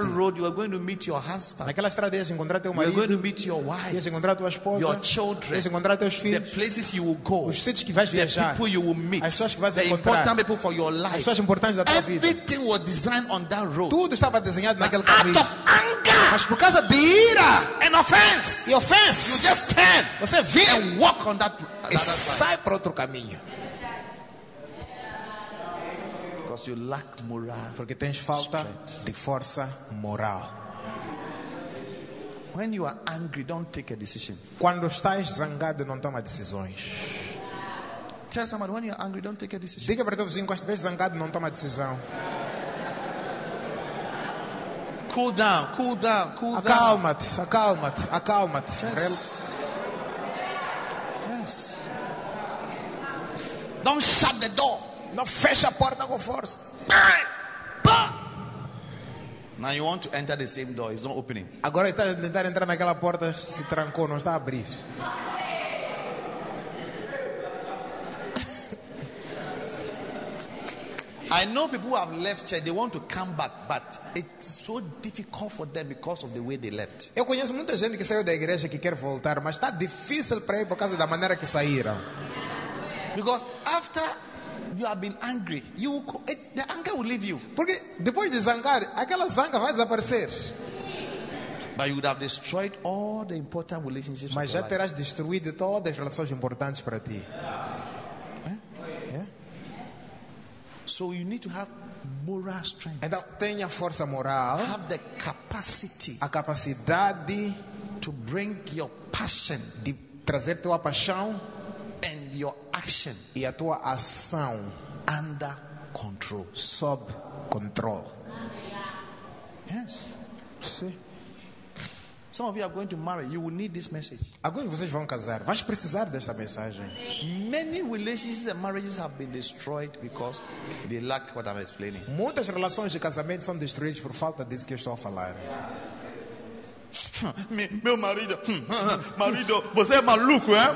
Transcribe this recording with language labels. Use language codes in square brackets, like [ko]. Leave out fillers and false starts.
[en] On that road you are going to meet your husband. [pt] Naquela estrada ias encontrar teu marido. [en] You are going to meet your wife. [pt] Ias encontrar tua esposa. [en] Your children. [pt] Ias encontrar teus filhos. [en] The places you will go. [pt] Os sítios que vais viajar. [en] The people you will meet. [pt] As pessoas que vais [en] the [pt] encontrar. [en] Important people for your life. [pt] As pessoas importantes da tua [en] everything [pt] vida. [en] Everything was designed on that road. [pt] Tudo estava desenhado naquele caminho. [en] Out of anger. [pt] Mas por causa de ira. [en] An offense. [pt] E offense. [en] You just turn. [pt] Você vem. [en] And walk on that road. [pt] E sai para outro caminho. [en] Because you lack moral. [pt] Porque tens falta de força moral. [en] When you are angry, don't take a decision. [pt] Quando estás zangado, não toma decisões. [en] Tell someone when you are angry, don't take a decision. [pt] Diga para teu vizinho, quando estiveres zangado, não toma decisão. [en] Cool down, cool down, cool down. [pt] Acalma-te, acalma-te, acalma-te. [en] Yes. Real... yes. Don't shut the door. [pt] Não fecha a porta com força. Bang! Bang! [en] Now you want to enter the same door. It's not opening. [pt] Agora está a tentar entrar naquela porta, se trancou, não está a abrir. [en] I know people who have left church, they want to come back, but it's so difficult for them because of the way they left. [pt] Eu conheço muita gente que saiu da igreja que quer voltar, mas está difícil para ir por causa da maneira que saíram. [en] Because after you have been angry, the anger will leave you. [pt] Porque depois de zangar, aquela zanga vai desaparecer. [en] But you would have destroyed all the important relationships. [pt] Mas já terás destruído todas as relações importantes para ti. [en] So you need to have moral strength. [pt] Então tenha força moral. [en] Have the capacity. [pt] A capacidade [en] to bring your passion. [pt] De trazer tua paixão. [en] And your action. [pt] E a tua ação. [en] Under control. [pt] Sob control. [en] Yes. See. Some of you are going to marry. You will need this message. [pt] Alguns de vocês vão casar. Vais precisar desta mensagem. [en] Many relationships and marriages have been destroyed because they lack what I'm explaining. [pt] Muitas relações de casamento são destruídas por falta disso que eu estou a falar. Meu marido, marido, você é maluco, hein?